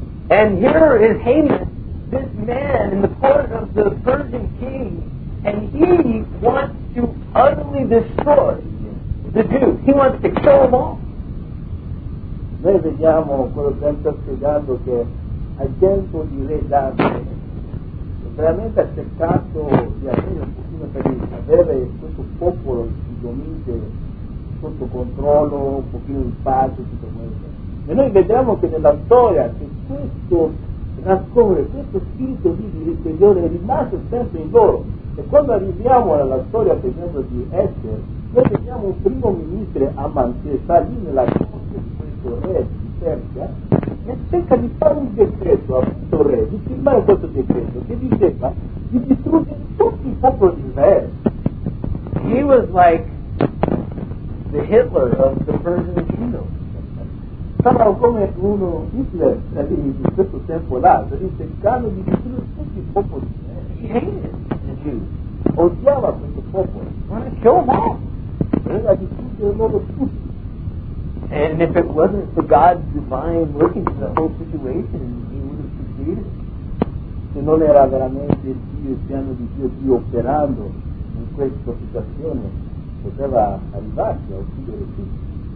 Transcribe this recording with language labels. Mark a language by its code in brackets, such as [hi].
[en] And here is Haman, this man in the court of the Persian king, and he wants to utterly destroy the Jews. He wants to kill them all. [it] Noi vediamo quello che sta spiegando, che al tempo di re Davide veramente ha cercato di avere un pochino per avere questo popolo di dominio sotto controllo, un pochino di pace, tutto questo. E noi vediamo che nella storia che questo rancore, questo spirito di ribellione è rimasto sempre in loro. E quando arriviamo alla storia, per esempio, di Esther, noi vediamo un primo ministro Aman che sta lì nella corte di questo re di Persia e cerca di fare un decreto a questo re, di firmare questo decreto, che diceva di distruggere tutti i popoli di Israele. [en] He was like the Hitler of the Persian Kingdom. [it] Stava come uno Hitler in questo tempo là, cioè cercando di distruggere tutti i popoli di Israele. [en] He hated the Jews. [it] Odiava questo popolo. [en] Wanna kill them all. And if it wasn't for God's divine working for the whole situation, he would have succeeded. [it] Se non era veramente il Dio, il piano di Dio, Dio operando in questa situazione, poteva arrivarci a uccidere tutti.